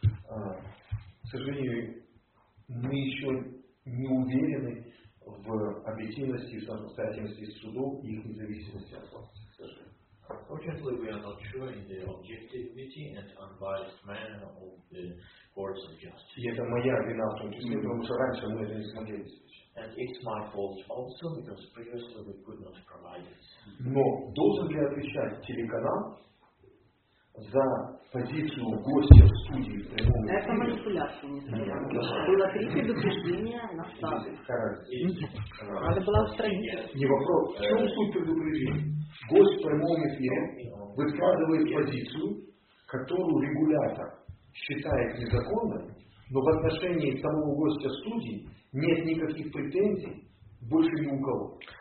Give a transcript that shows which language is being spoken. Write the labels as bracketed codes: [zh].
[ru] К сожалению, мы еще не уверены в объективности и самостоятельности судов и их независимости от вас. [en] Unfortunately, we are not sure in the objectivity and unbiased manner of the courts of justice. And it's my fault also, because previously we could not provide it. [ru] Но должен ли отвечать телеканал за позицию гостя в студии? Это манипуляция, не знаю. Было три предупреждения на стадии. Надо было устранить. Не вопрос. В чем суть предупреждения? Гость в прямом эфире выкладывает позицию, которую регулятор считает незаконной, но в отношении самого гостя студии нет никаких претензий больше ни у кого.